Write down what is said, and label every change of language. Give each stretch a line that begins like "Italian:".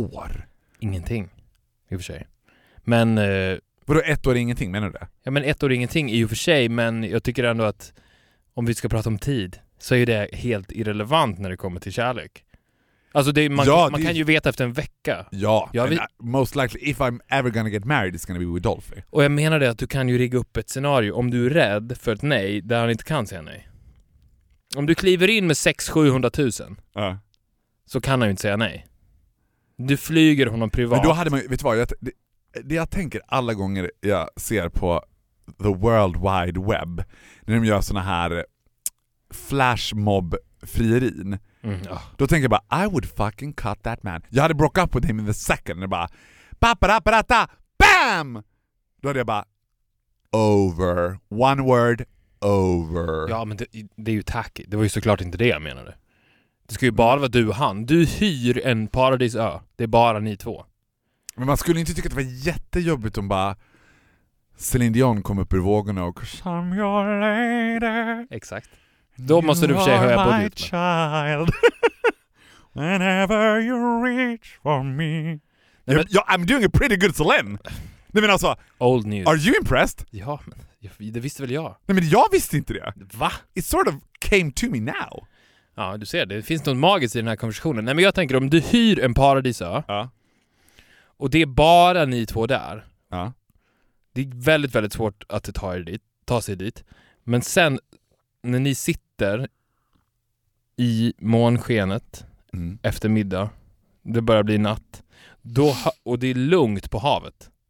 Swedish: År. Ingenting. I och för sig. Men... Vadå, ett år är ingenting, menar du det? Ja, men ett år är ingenting i och för sig, men jag tycker ändå att om vi ska prata om tid så är det helt irrelevant när det kommer till kärlek. Alltså, det, man kan ju veta efter en vecka.
English: Ja, most likely, if I'm ever gonna get married, it's gonna be with Dolphy.
Swedish: Och jag menar det att du kan ju rigga upp ett scenario om du är rädd för ett nej där han inte kan säga nej. Om du kliver in med 600-700 000, så kan han ju inte säga nej. Du flyger honom privat. Men då hade man, vet du vad, det jag tänker alla gånger jag ser på the world wide web när de gör såna här flashmob frierin, då tänker jag bara, I would fucking cut that man.
English: Jag hade broke up with him in the second. Och bara paparaparata, bam, då hade jag bara
Swedish: over, one word, over. Ja, men det är ju tacky. Det var ju såklart inte det jag menade. Det ska ju bara vara du och han. Du hyr en paradisö, det är bara ni två. Men man skulle inte tycka att det var jättejobbigt om bara Celine Dion kom upp ur vågorna och I'm your lady. Exakt. Då måste du försöka höja på ditt. Child.
English: Whenever you reach for me. Nej, men, I'm doing a pretty good Celine.
Swedish: Nej, men alltså,
English: old news. Are you impressed?
Swedish: Ja, men det visste väl jag. Nej, men jag visste inte det. Va?
English: It sort of came to me now.
Swedish: Ja, du ser, det finns något magiskt i den här konversationen. Nej, men jag tänker om du hyr en paradisö. Ja. Och det är bara ni två där. Ja. Det är väldigt, väldigt svårt att ta sig dit. Men sen, när ni sitter i månskenet efter middag, det börjar bli natt, då, och det är lugnt på havet.